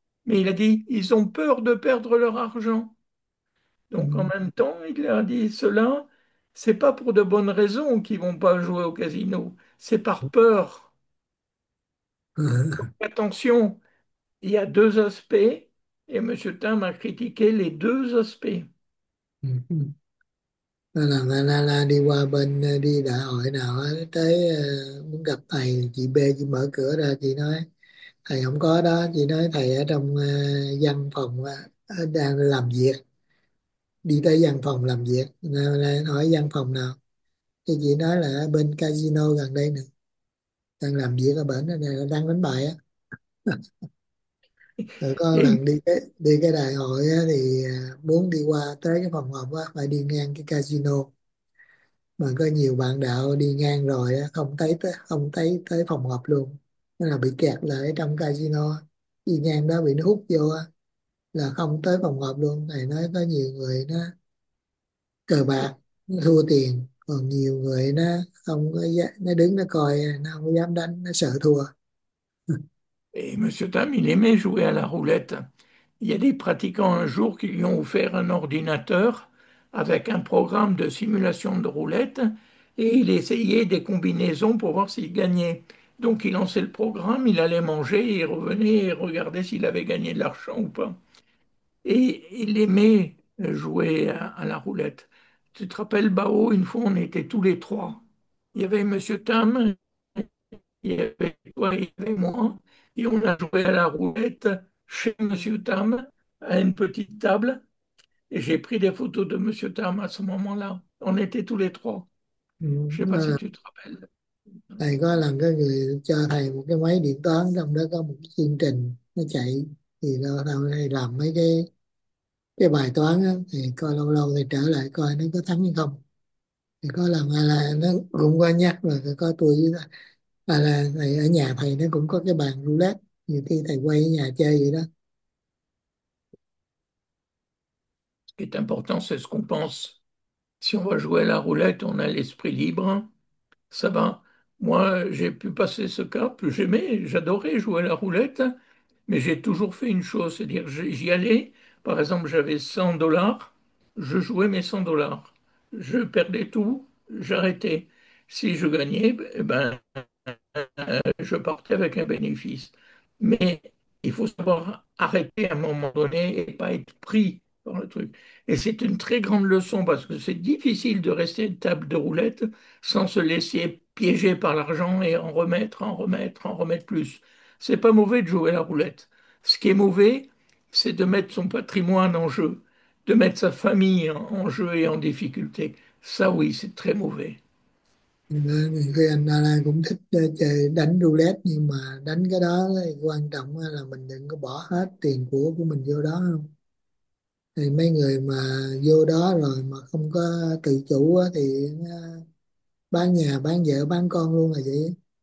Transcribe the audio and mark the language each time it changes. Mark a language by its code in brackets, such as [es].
[fr] Mais il a dit, ils ont peur de perdre leur argent. Donc en même temps, il leur a dit, cela, ce n'est pas pour de bonnes raisons qu'ils ne vont pas jouer au casino. C'est par peur. Attention, il y a deux aspects. Et M. Tam a critiqué les deux aspects. [vi] Là đi qua bên đi đại hội nào tới muốn gặp thầy, chị B chị mở cửa ra chị nói thầy không có đó, chị nói thầy ở trong văn phòng đang làm việc, đi tới văn phòng làm việc. Hỏi văn phòng nào thì chị nói là bên casino gần đây nè, đang làm việc ở bển này, đang đánh bài á. Rồi có lần đi cái đại hội á, thì muốn đi qua tới cái phòng họp á phải đi ngang cái casino, mà có nhiều bạn đạo đi ngang rồi á, không thấy tới phòng họp luôn, nên là bị kẹt lại trong casino, đi ngang đó bị nó hút vô á, là không tới phòng họp luôn. Thầy nói có nhiều người nó cờ bạc nó thua tiền, còn nhiều người nó không có, nó đứng nó coi nó không dám đánh, nó sợ thua. [fr] Et M. Tam, il aimait jouer à la roulette. Il y a des pratiquants un jour qui lui ont offert un ordinateur avec un programme de simulation de roulette et il essayait des combinaisons pour voir s'il gagnait. Donc il lançait le programme, il allait manger, il revenait et regardait s'il avait gagné de l'argent ou pas. Et il aimait jouer à la roulette. Tu te rappelles, Bao, une fois on était tous les trois. Il y avait M. Tam, il y avait toi, il y avait moi. Et on a joué à la roulette chez M. Tam à une petite table. Et j'ai pris des photos de M. Tam à ce moment-là. On était tous les trois. Je ne sais pas si tu te rappelles. [vi] Thầy có lần cái người cho thầy một cái máy điện toán, trong đó có một cái chương trình nó chạy, thì lâu lâu thầy làm mấy cái bài toán đó, thì coi lâu lâu thì trở lại coi nó có thắng hay không. Thì có lần là nó cũng có nhắc là có tôi với là thầy ở nhà thầy nó cũng có cái bàn roulette, nhiều khi thầy quay ở nhà chơi vậy đó. [fr] Ce qui est important, c'est ce qu'on pense. Si on va jouer à la roulette, on a l'esprit libre. Ça va. Moi, j'ai pu passer ce cap. J'adorais jouer à la roulette, mais j'ai toujours fait une chose, c'est-à-dire j'y allais. Par exemple, j'avais 100 dollars. Je jouais mes 100 dollars. Je perdais tout, j'arrêtais. Si je gagnais, eh ben, je partais avec un bénéfice. Mais il faut savoir arrêter à un moment donné et pas être pris. Le truc. Et c'est une très grande leçon parce que c'est difficile de rester à une table de roulette sans se laisser piéger par l'argent et en remettre, en remettre, en remettre plus. C'est pas mauvais de jouer à la roulette. Ce qui est mauvais, c'est de mettre son patrimoine en jeu, de mettre sa famille en jeu et en difficulté. Ça, oui, c'est très mauvais. [vi] Nhiều khi anh Alan cũng thích chơi đánh roulette, nhưng mà đánh cái đó thì quan trọng là mình đừng có bỏ hết tiền của mình vô đó không. Thì mấy người mà vô đó rồi mà không có tự chủ thì bán nhà bán vợ bán con luôn là vậy.